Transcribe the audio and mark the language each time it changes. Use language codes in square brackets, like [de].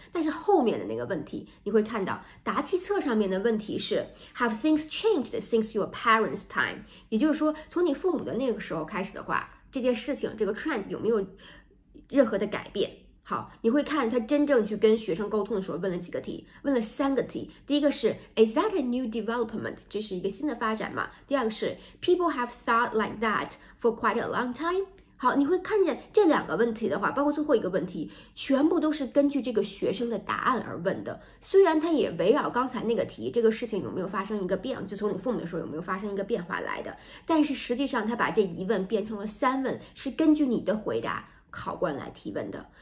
[zh] 但是后面的那个问题，你会看到答题册上面的问题是 [en] Have things changed since your parents' time， [zh] 也就是说从你父母的那个时候开始的话，这件事情这个 trend 有没有任何的改变。好，你会看他真正去跟学生沟通的时候问了几个题，问了三个题。第一个是 [en] Is that a new development， [zh] 这是一个新的发展吗？ [en] 第二个是 People have thought like that for quite a long time。 [zh] 好，你会看见这两个问题的话，包括最后一个问题，全部都是根据这个学生的答案而问的。虽然他也围绕刚才那个题，这个事情有没有发生一个变，就从你父母的时候有没有发生一个变化来的，但是实际上他把这一问变成了三问，是根据你的回答考官来提问的。